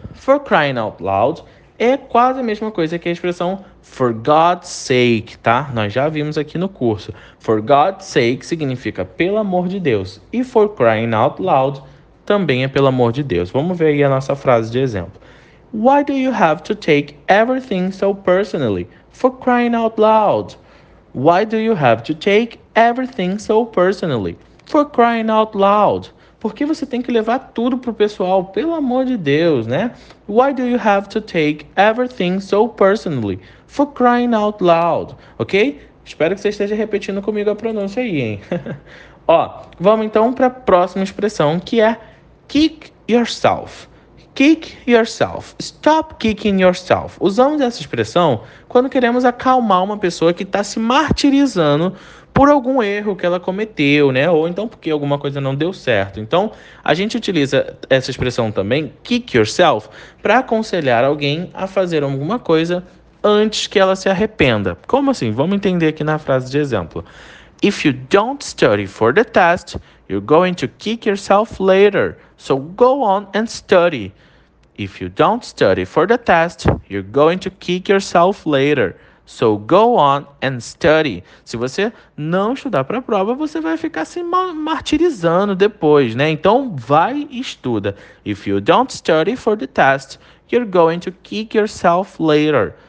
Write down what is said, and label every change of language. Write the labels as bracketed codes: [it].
[en] For crying out loud [pt] é quase a mesma coisa que a expressão [en] for God's sake, [pt] tá? Nós já vimos aqui no curso. [en] For God's sake [pt] significa pelo amor de Deus. E [en] for crying out loud [pt] também é pelo amor de Deus. Vamos ver aí a nossa frase de exemplo. [en] Why do you have to take everything so personally? For crying out loud. Why do you have to take everything so personally? For crying out loud. [pt] Por que você tem que levar tudo pro pessoal? Pelo amor de Deus, né? [en] Why do you have to take everything so personally? For crying out loud. Ok? [pt] Espero que você esteja repetindo comigo a pronúncia aí, hein? Ó, vamos então para a próxima expressão, que é [en] kick yourself. Kick yourself. Stop kicking yourself. [pt] Usamos essa expressão quando queremos acalmar uma pessoa que está se martirizando por algum erro que ela cometeu, né? Ou então porque alguma coisa não deu certo. Então, a gente utiliza essa expressão também, [en] kick yourself, [pt] para aconselhar alguém a fazer alguma coisa antes que ela se arrependa. Como assim? Vamos entender aqui na frase de exemplo. [en] If you don't study for the test, you're going to kick yourself later. So go on and study. If you don't study for the test, you're going to kick yourself later. So go on and study. [pt] Se você não estudar para a prova, você vai ficar se martirizando depois, né? Então vai e estuda. [en] If you don't study for the test, you're going to kick yourself later.